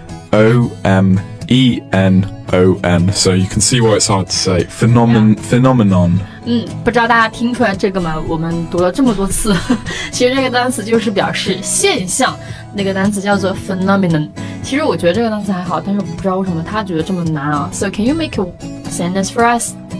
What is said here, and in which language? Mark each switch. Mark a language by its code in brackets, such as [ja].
[en] P-H-E-N-O-M-E-N-O-N, so you can see why it's hard to say. Phenomenon. [zh] 不知道大家听出来这个吗？我们读了这么多次，其实这个单词就是表示现象，那个单词叫做 phenomenon。其实我觉得这个单词还好，但是我不知道为什么他觉得这么难啊。 [en] So can you make a sentence for us?